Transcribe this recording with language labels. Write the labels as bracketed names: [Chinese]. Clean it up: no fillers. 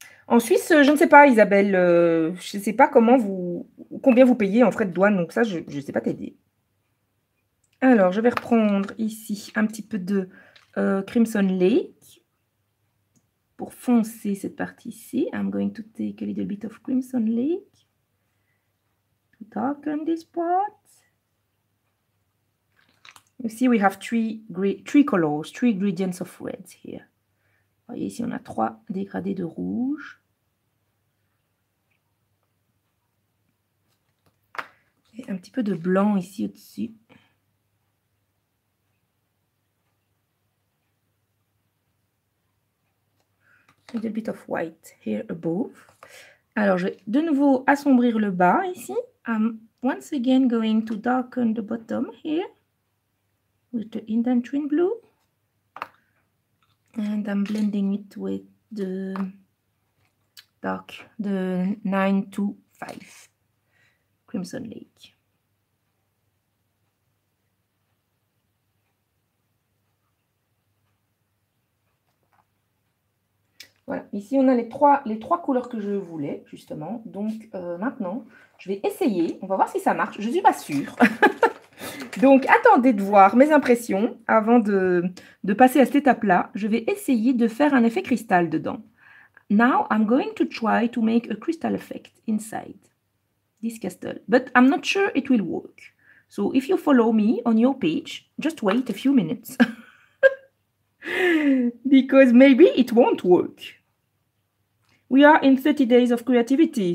[French] En Suisse, je ne sais pas, Isabelle, je ne sais pas comment combien vous payez en frais de douane, donc ça, je ne sais pas t'aider. Alors, je vais reprendre ici un petit peu de Crimson Lake pour foncer cette partie-ci. [English] I'm going to take a little bit of Crimson Lake to darken this part. You see, we have three colors, three gradients of reds here. [French] Vous voyez, ici, on a trois dégradés de rouge. Et un petit peu de blanc ici au-dessus. [English] A little bit of white here above. [French] Alors, je vais de nouveau assombrir le bas ici. [English] I'm once again going to darken the bottom here with the indentured blue. And I'm blending it with the dark, the 925 Crimson Lake. [French] Voilà, ici on a les trois couleurs que je voulais, justement. Donc maintenant, je vais essayer, on va voir si ça marche. Je ne suis pas sûre. Donc, attendez de voir mes impressions avant de passer à cette étape-là. Je vais essayer de faire un effet cristal dedans. [English] Now, I'm going to try to make a crystal effect inside this castle. But I'm not sure it will work. So, if you follow me on your page, just wait a few minutes. Because maybe it won't work. We are in 30 days of creativity.